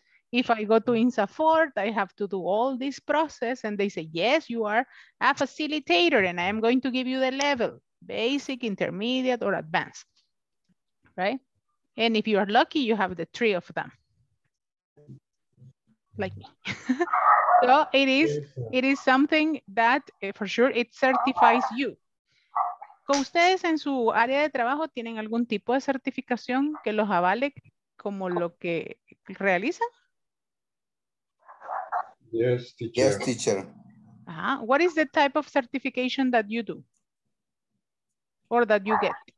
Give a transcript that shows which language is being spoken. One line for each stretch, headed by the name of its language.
English: If I go to INSAFORP, I have to do all this process, and they say, yes, you are a facilitator, and I am going to give you the level, basic, intermediate, or advanced, right? And if you are lucky, you have the three of them, like me. So it is something that, for sure, it certifies you.
Spanish: ¿Ustedes en su área de trabajo tienen algún tipo de certificación que los avale como lo que realizan?
English: Yes, teacher. Uh-huh. What is the type of certification that you do or that you get?